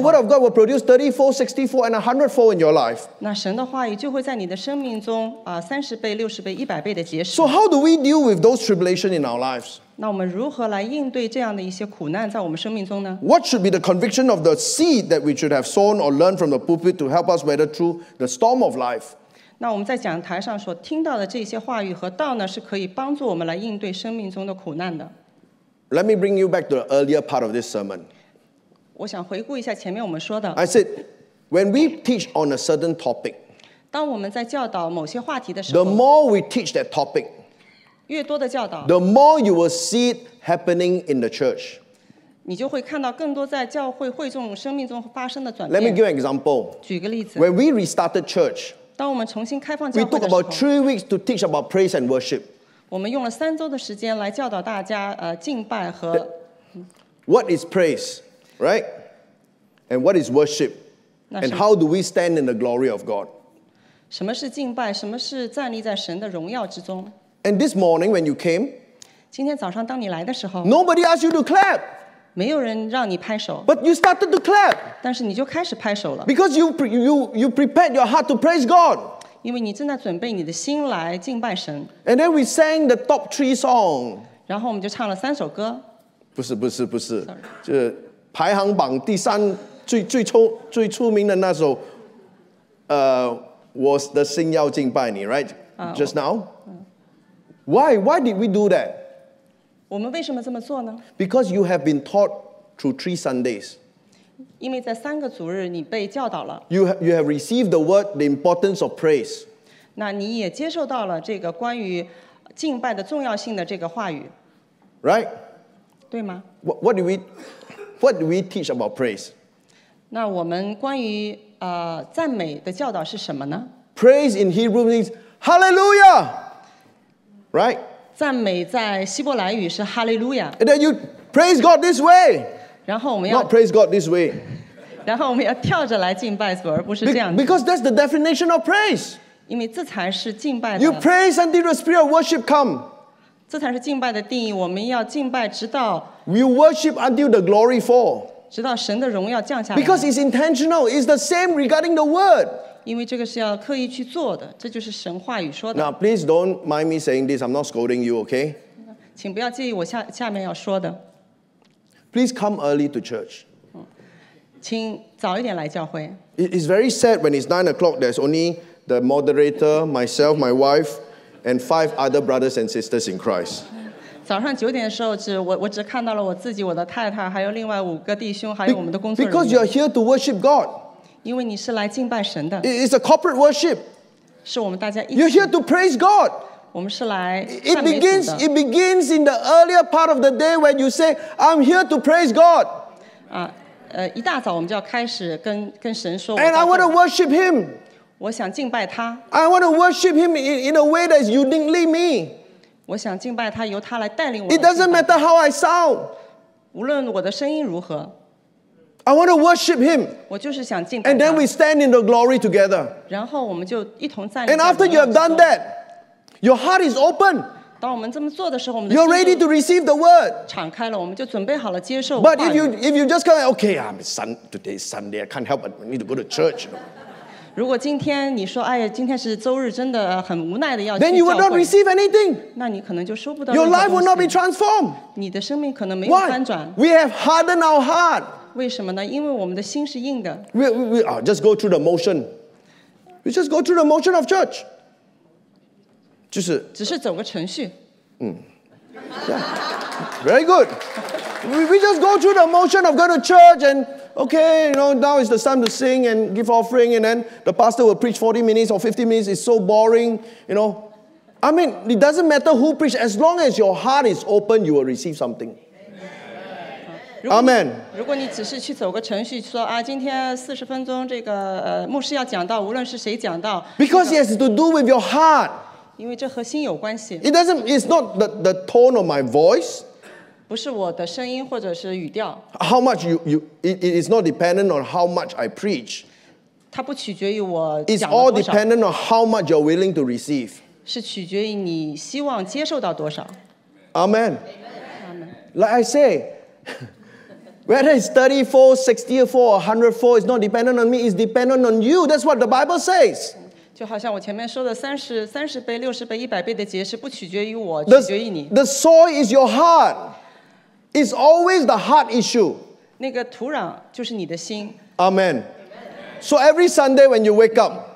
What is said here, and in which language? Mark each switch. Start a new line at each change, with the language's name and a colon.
English: then the word of God will produce 30-fold, 60-fold, and 100-fold in your life.
Chinese: 那神的话语就会在你的生命中30倍、60倍、100倍的结实。
English: So how do we deal with those tribulations in our lives?
Chinese: 那我们如何来应对这样的一些苦难在我们生命中呢
English: ？What should be the conviction of the seed that we should have sown or learned from the pulpit to help us weather through the storm of life？
Chinese: 那我们在讲台上所听到的这些话语和道呢，是可以帮助我们来应对生命中的苦难的。
English: Let me bring you back to the earlier part of this sermon。
Chinese: 我想回顾一下前面我们说的。
English: I said when we teach on a certain topic，
Chinese: 当我们在教导某些话题的时候
English: ，the more we teach that topic。
Chinese: 越多的教导
English: the more you will see it happening in the church.
Chinese: 你就会看到更多在教会会众生命中发生的转变。
English: Let me give an example.
Chinese: 举个例子。
English: When we restarted church,
Chinese: 当我们重新开放教会的时候
English: we took about 3 weeks to teach about praise and worship.
Chinese: 我们用了3周的时间来教导大家敬拜和
English: What is praise, right? And what is worship? And how do we stand in the glory of God?
Chinese: 什么是敬拜？什么是站立在神的荣耀之中？
English: And this morning when you came,
Chinese: 今天早上当你来的时候
English: nobody asked you to clap.
Chinese: 没有人让你拍手
English: But you started to clap.
Chinese: 但是你就开始拍手了
English: Because you prepared your heart to praise God.
Chinese: 因为你正在准备你的心来敬拜神
English: And then we sang the top 3 songs.
Chinese: 然后我们就唱了3首歌。不是
English: Sorry.
Chinese: 就是排行榜第三最出名的那首我的心要敬拜你
English: right? Just now? Why did we do that?
Chinese: 我们为什么这么做呢
English: Because you have been taught through 3 Sundays.
Chinese: 因为在三个主日你被教导了。
English: You have received the word, the importance of praise.
Chinese: 那你也接受到了这个关于敬拜的重要性的这个话语。
English: Right?
Chinese: 对吗？
English: What do we teach about praise?
Chinese: 那我们关于赞美的教导是什么呢？
English: Praise in Hebrew means Hallelujah, right?
Chinese: 赞美在希伯来语是 Hallelujah.
English: And then you praise God this way.
Chinese: 然后我们要
English: not praise God this way.
Chinese: 然后我们要跳着来敬拜主，而不是这样。
English: Because that's the definition of praise.
Chinese: 因为这才是敬拜的。
English: You praise until the spirit of worship come.
Chinese: 这才是敬拜的定义。我们要敬拜直到。
English: You worship until the glory fall.
Chinese: 直到神的荣耀降下来。
English: Because it's intentional. It's the same regarding the word.
Chinese: 因为这个是要刻意去做的，这就是神话语说的。
English: Now, please don't mind me saying this. I'm not scolding you, okay?
Chinese: 请不要介意我下面要说的。
English: Please come early to church.
Chinese: 请早一点来教会。
English: It's very sad when it's 9 o'clock. There's only the moderator, myself, my wife, and 5 other brothers and sisters in Christ.
Chinese: 早上九点的时候，我只看到了我自己、我的太太，还有另外五个弟兄，还有我们的工作人员。
English: Because you're here to worship God.
Chinese: 因为你是来敬拜神的。
English: It's a corporate worship.
Chinese: 是我们大家一起。
English: You're here to praise God.
Chinese: 我们是来赞美主的。
English: It begins in the earlier part of the day when you say, "I'm here to praise God."
Chinese: 一大早我们就要开始跟神说。
English: And I want to worship Him.
Chinese: 我想敬拜他。
English: I want to worship Him in a way that is uniquely me.
Chinese: 我想敬拜他，由他来带领我。
English: It doesn't matter how I sound.
Chinese: 无论我的声音如何。
English: I want to worship Him.
Chinese: 我就是想敬拜他。
English: And then we stand in the glory together.
Chinese: 然后我们就一同站立。
English: And after you have done that, your heart is open.
Chinese: 当我们这么做的时候，我们的心。
English: You're ready to receive the word.
Chinese: 敞开了，我们就准备好了接受。
English: But if you just come, okay, today is Sunday, I can't help it, I need to go to church.
Chinese: 如果今天你说，哎呀，今天是周日，真的很无奈的要去教会。
English: Then you will not receive anything.
Chinese: 那你可能就收不到任何东西。
English: Your life will not be transformed.
Chinese: 你的生命可能没有翻转。
English: Why? We have hardened our heart.
Chinese: 为什么呢？因为我们的心是硬的。
English: Just go through the motion. We just go through the motion of church.
Chinese: 就是。只是走个程序。
English: Yeah. Very good. We just go through the motion of going to church and okay, you know, now is the time to sing and give offering and then the pastor will preach 40 minutes or 50 minutes. It's so boring, you know. I mean, it doesn't matter who preaches. As long as your heart is open, you will receive something. Amen.
Chinese: 如果你只是去走个程序，说啊，今天四十分钟，这个牧师要讲到，无论是谁讲到。
English: Because it has to do with your heart.
Chinese: 因为这和心有关系。
English: It doesn't. It's not the tone of my voice.
Chinese: 不是我的声音或者是语调。
English: How much you it is not dependent on how much I preach.
Chinese: 它不取决于我讲了多少。
English: It's all dependent on how much you're willing to receive.
Chinese: 是取决于你希望接受到多少。
English: Amen. Amen. Like I say. Whether it's 30-fold, 60-fold, 100-fold, it's not dependent on me, it's dependent on you. That's what the Bible says.
Chinese: 就好像我前面说的30倍、60倍、100倍的结实不取决于我，取决于你。
English: The soil is your heart. It's always the heart issue.
Chinese: 那个土壤就是你的心。
English: Amen. So every Sunday when you wake up,